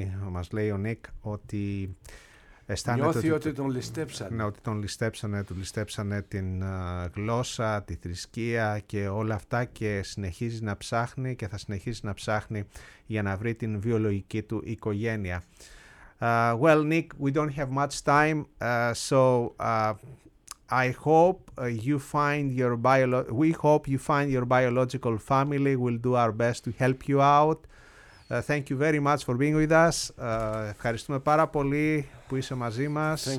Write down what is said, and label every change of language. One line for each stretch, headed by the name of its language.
Greek: Μας λέει ο Νίκ ότι αισθάνεται ότι τον ληστέψανε. Ναι, ότι τον ληστέψανε, του ληστέψανε την γλώσσα, τη θρησκεία και όλα αυτά, και συνεχίζει να ψάχνει και θα συνεχίσει να ψάχνει για να βρει την βιολογική του οικογένεια.
English: Well, Nick, we don't have much time, we hope you find your biological family. We'll do our best to help you out. Thank you very much for being with us.
Greek: Ευχαριστούμε πάρα πολύ που είσαι μαζί μας.